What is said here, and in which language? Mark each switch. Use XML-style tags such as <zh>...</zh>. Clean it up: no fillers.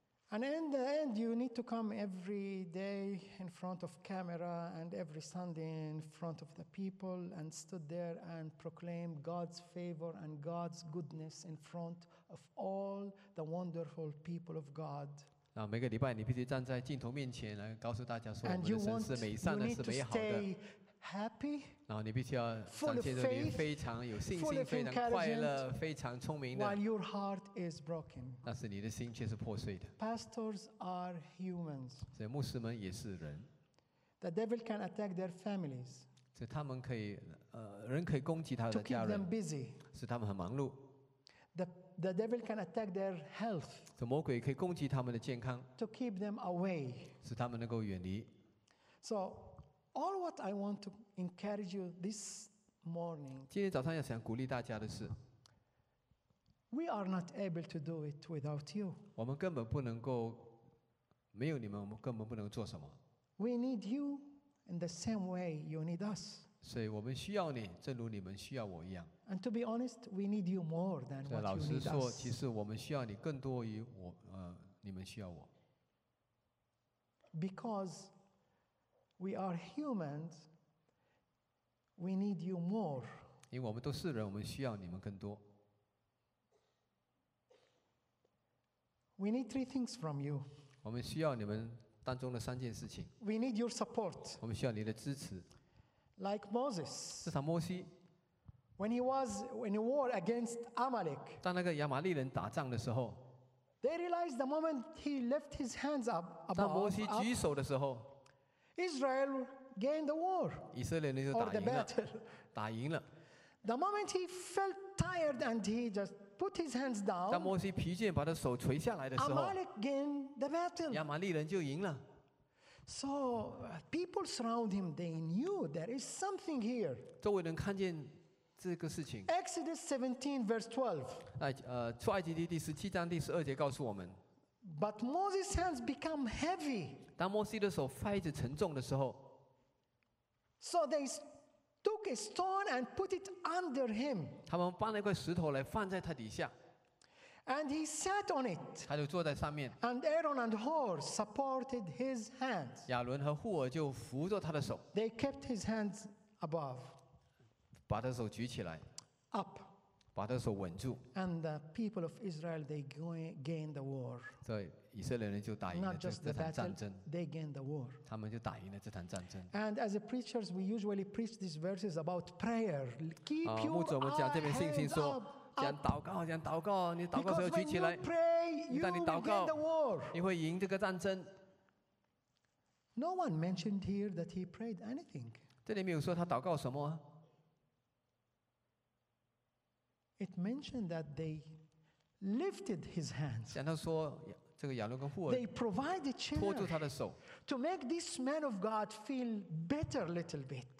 <en>And in the end, you need to come every day in front of camera and every Sunday in front of the people and stood there and proclaim God's favor and God's goodness in front of all the wonderful people of God.</en> <zh>那每个礼拜你必须站在镜头面前来告诉大家说，我们的神是美善的，是美好的。</zh> <en>And you want to stay happy，</en> <zh>然后你必须要上帖子里非常有信心、非常快乐、非常聪明的。</zh> <en>While your heart is broken，</en> <zh>但是你的心却是破碎的。</zh> <en>Pastors are humans，</en> <zh>所以牧师们也是人。</zh> <en>The devil can attack their families，</en> <zh>所以他们可以，人可以攻击他的家人。</zh> <en>To keep them busy，</en> <zh>使他们很忙碌。</zh> <en>The devil can attack their health，</en> <zh>所以魔鬼可以攻击他们的健康。</zh> <en>To keep them away，</en> <zh>使他们能够远离。</zh> <en>So。 All what I want to encourage you this morning.</en> <zh>今天早上要想鼓励大家的是</zh> <en>，We are not able to do it without you.</en> <zh>我们根本不能够，没有你们，我们根本不能做什么。</zh> <en>We need you in the same way you need us.</en> <zh>所以我们需要你，正如你们需要我一样。</zh> <en>And to be honest, we need you more than what you need us.</en> <zh>老实说，其实我们需要你更多于我，你们需要我。</zh> <en>Because We are humans. We need you more.</en> <zh>因为我们都是人，我们需要你们更多。</zh> <en>We need three things from you.</en> <zh>我们需要你们当中的三件事情。</zh> <en>We need your support.</en> <zh>我们需要你的支持。</zh> <en>Like Moses.</en> <zh>就像摩西。</zh> <en>When he war against Amalek.</en> <zh>当那个亚玛力人打仗的时候。</zh> <en>They realized the moment he left his hands up.</en> <zh>当摩西举手的时候。</zh> <en>Israel gained the war.</en> <zh>以色列人就打赢了。打赢了。</zh> <en>The moment he felt tired and he just put his hands down.</en> <zh>当摩西疲倦把他手垂下来的时候。</zh> <en>Amalek gained the battle.</en> <zh>亚玛力人就赢了。</zh> <en>So people surround him. They knew there is something here.</en> <zh>周围人看见这个事情。</zh> <en>Exodus 17 verse 12.</en> <zh>出埃及记第十七章第十二节告诉我们。</zh> <en>But Moses' hands become heavy.</en> <zh>当摩西的手开始沉重的时候</zh> <en>，so they took a stone and put it under him.</en> <zh>他们搬了一块石头来放在他底下</zh> <en>，and he sat on it.</en> <zh>他就坐在上面</zh> <en>，and Aaron and Hur supported his hands.</en> <zh>亚伦和户珥就扶着他的手</zh> <en>，they kept his hands above.</en> <zh>把他手举起来</zh> <en>，up.</en> <zh>把他的手稳住。</zh> <en>And the people of Israel they gained the war.</en> <zh>所以以色列人就打赢了这场战争。</zh> <en>They gained the war.</en> <zh>他们就打赢了这场战争。</zh> <en>And as preachers we usually preach these verses about prayer. Keep your eyes up.</en> <zh>牧者们讲这边信心说，讲祷告，讲祷告，你祷告时候举起来。</zh> <en>Because when you pray, you gain the war.</en> <zh>你会赢这个战争。</zh> <en>No one mentioned here that he prayed anything.</en> <zh>这里没有说他祷告什么啊。</zh> <en>It mentioned that they lifted his hands.</en> <zh>讲到说，这个亚伦跟户珥。</zh> <en>They provided chair.</en> <zh>托住他的手。</zh> <en>To make this man of God feel better a little bit.</en>